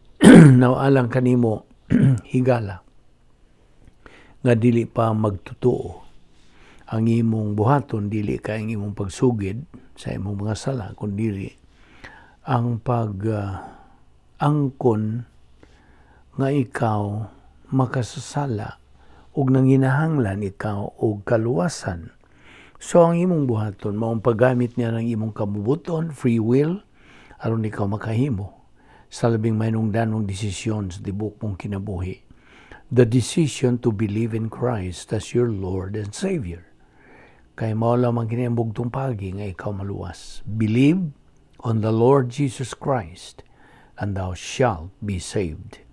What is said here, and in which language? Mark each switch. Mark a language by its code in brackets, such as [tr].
[ceb] Now alang kanimo higala nga dili pa magtutuo ang imong buhaton, dili ka ang imong pagsugid sa imong mga sala, kundi ang pag-angkon nga ikaw makasasala ug nanginahanglan ikaw og kaluwasan. So ang imong buhaton mao ang paggamit niya ng imong kabubuton, free will, aron ikaw makahimo sa labing mahinungdanong desisyon sa tibuok mong kinabuhi. [en] The decision to believe in Christ as your Lord and Savior. [ceb] Kaya mao lamang kinabugtong pagi nga ikaw maluwas. [en] Believe on the Lord Jesus Christ, and thou shalt be saved.